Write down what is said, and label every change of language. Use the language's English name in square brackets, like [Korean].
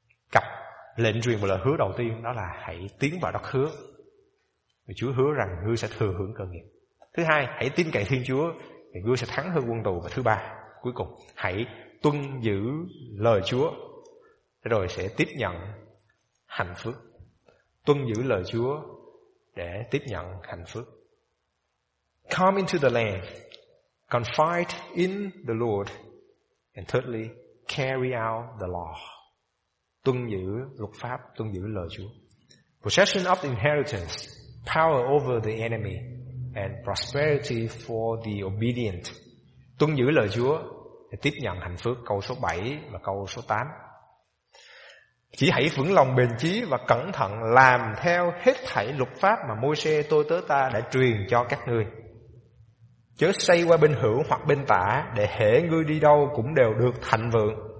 [Vietnamese] Cặp lệnh truyền và lời hứa đầu tiên đó là hãy tiến vào đất hứa, vì Chúa hứa rằng ngươi sẽ thừa hưởng cơ nghiệp. Thứ hai, hãy tin cậy Thiên Chúa thì ngươi sẽ thắng hơn quân tù. Và thứ ba, cuối cùng, hãy tuân giữ lời Chúa rồi sẽ tiếp nhận hạnh phúc. Tuân giữ lời Chúa để tiếp nhận hạnh phúc. [English] Come into the land, confide in the Lord, and thirdly, carry out the law. [Vietnamese] Tuân giữ luật pháp, tuân giữ lời Chúa. [English] Possession of the inheritance, power over the enemy, and prosperity for the obedient. [Vietnamese] Tuân giữ lời Chúa để tiếp nhận hạnh phúc, câu số 7 và câu số 8. Chỉ hãy vững lòng bền chí và cẩn thận làm theo hết thảy luật pháp mà Môi-se tôi tớ ta đã truyền cho các ngươi. Chớ xây qua bên hữu hoặc bên tả, để hễ ngươi đi đâu cũng đều được thạnh vượng.